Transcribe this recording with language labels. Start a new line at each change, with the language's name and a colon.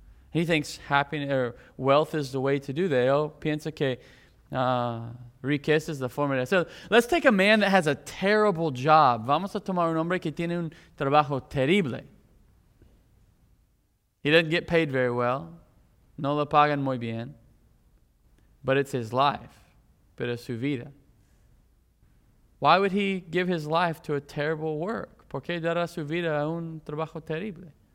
English: He thinks happiness or wealth is the way to do that.
Spanish: Él piensa que riqueza es la forma de hacerlo.
English: Let's take a man that has a terrible job.
Spanish: Vamos a tomar un hombre que tiene un trabajo terrible.
English: He doesn't get paid very well.
Spanish: No lo pagan muy bien.
English: But it's his life.
Spanish: Pero es su vida.
English: Why would he give his life to a terrible work?
Spanish: ¿Por qué dará su vida a un trabajo terrible?